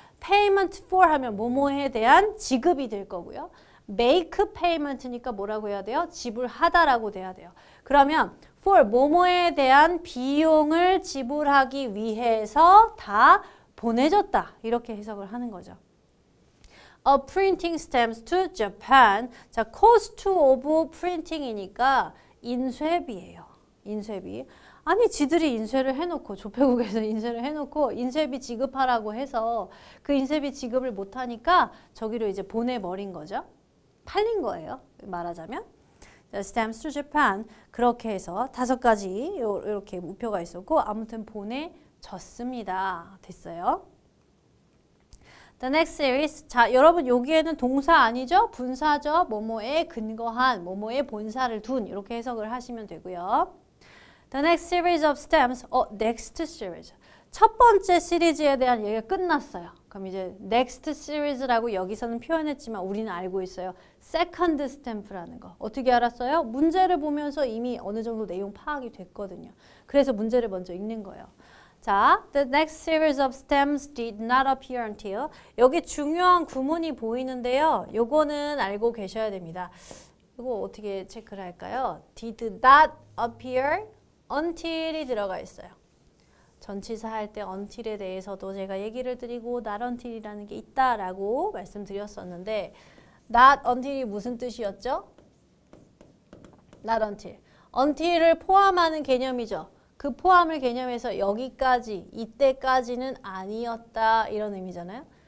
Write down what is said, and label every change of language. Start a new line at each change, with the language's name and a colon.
Korean: payment for 하면 뭐뭐에 대한 지급이 될 거고요. make payment니까 뭐라고 해야 돼요? 지불하다라고 돼야 돼요. 그러면 for 뭐뭐에 대한 비용을 지불하기 위해서 다 보내졌다. 이렇게 해석을 하는 거죠.
English: A printing stamps to Japan.
Korean: 자, cost of printing이니까 인쇄비예요. 인쇄비. 아니, 지들이 인쇄를 해놓고, 조폐국에서 인쇄를 해놓고 인쇄비 지급하라고 해서 그 인쇄비 지급을 못하니까 저기로 이제 보내버린 거죠. 팔린 거예요. 말하자면.
English: The stamps to Japan.
Korean: 그렇게 해서 다섯 가지 이렇게 우표가 있었고 아무튼 보내 졌습니다. 됐어요.
English: The next series.
Korean: 자, 여러분 여기에는 동사 아니죠? 분사죠? 뭐뭐에 근거한, 뭐뭐에 본사를 둔 이렇게 해석을 하시면 되고요.
English: The next series of stamps. Next series.
Korean: 첫 번째 시리즈에 대한 얘기가 끝났어요. 그럼 이제 next series라고 여기서는 표현했지만 우리는 알고 있어요. Second stamp라는 거. 어떻게 알았어요? 문제를 보면서 이미 어느 정도 내용 파악이 됐거든요. 그래서 문제를 먼저 읽는 거예요.
English: 자, the next series of stamps did not appear until.
Korean: 여기 중요한 구문이 보이는데요. 요거는 알고 계셔야 됩니다. 이거 어떻게 체크를 할까요?
English: Did not appear until이
Korean: 들어가 있어요. 전치사 할 때 until에 대해서도 제가 얘기를 드리고 not until이라는 게 있다라고 말씀드렸었는데 not until이 무슨 뜻이었죠?
English: Not until.
Korean: until을 포함하는 개념이죠. 그 포함을 개념해서 여기까지, 이때까지는 아니었다 이런 의미잖아요.